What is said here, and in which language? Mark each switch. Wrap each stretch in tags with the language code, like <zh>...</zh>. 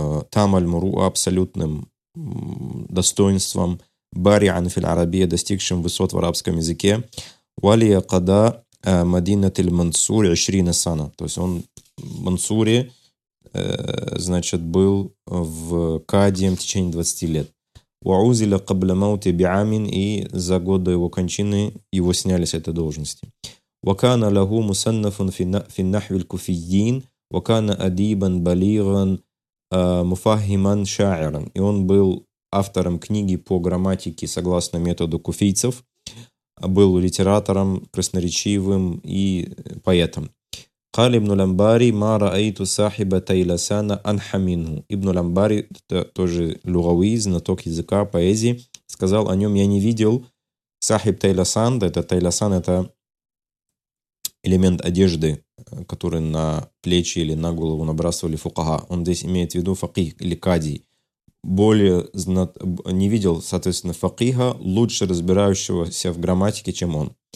<ru>там аль-муруа, абсолютным достоинством, бариан филь-арабия, достигшим высот в арабском языке, валия када мадинатиль-мансури 20 сана, то есть он в Мансуре, значит, был в кадием в течение 20 лет, ваузиля кабля маути биамин, и за год до его кончины его сняли с этой должности.</ru> <ar>وكان له مصنف في النحو الكوفيين وكان أديبا بليغا مفهما شاعرا.</ar> <ru>И он был автором книги по грамматике согласно методу куфийцев, был литератором красноречивым и поэтом.</ru> <ar>قال ابن الأنباري ما رأيت صاحب تيلسان أنحى منه.</ar> <ru>Ибн аль-Анбари, тоже луговый, знаток языка, поэзии, сказал о нем: я не видел сахиб тайласан. Это тайласан, это элемент одежды, который на плечи или на голову набрасывали фукаха. Он здесь имеет в виду факих или кадий. Более не видел, соответственно, факиха, лучше разбирающегося в грамматике, чем он.</ru>